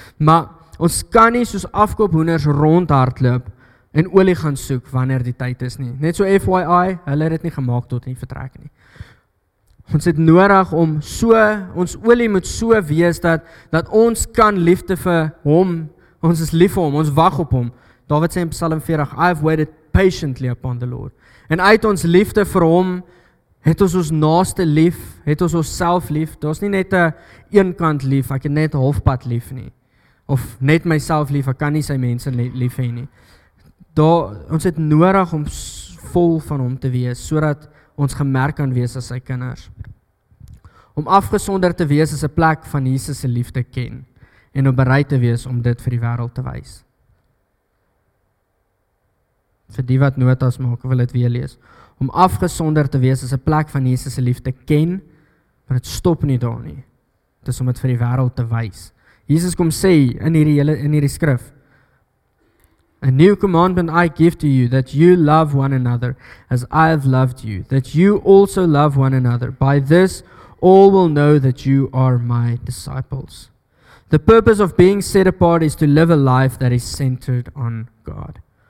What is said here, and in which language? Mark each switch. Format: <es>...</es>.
<af>Maar ons kan nie soos afkoophoenders rondhardloop en olie gaan soek wanneer die tyd is nie. Net so FYI, hulle het dit nie gemaak tot nie vertrek nie. Ons het nodig om so, ons olie moet so wees dat ons kan liefde vir hom, ons is lief vir hom, ons wag op hom. Dawid sê in Psalm 40,</af> <en>I have waited patiently upon the Lord.</en> <af>En uit ons liefde vir hom, het ons ons naaste lief, het ons ons self lief. Dit is nie net een eenkant lief, ek het net halfpad lief nie. Of net myself lief, ek kan nie sy mense lief hê nie. Ons het nodig om vol van hom te wees, sodat ons gemerk kan wees as sy kinders. Om afgesonder te wees is 'n plek van Jesus se liefde ken en om bereid te wees om dit vir die wêreld te wys. Vir die wat notas maak, wil dit weer lees. Om afgesonder te wees is 'n plek van Jesus se liefde ken, maar dit stop nie daar nie. Dit is om dit vir die wêreld te wys. Jesus kom sê in hierdie skrif</af> <en>A new commandment I give to you, that you love one another as I have loved you, that you also love one another. By this, all will know that you are my disciples. The purpose of being set apart is to live a life that is centered on God.</en>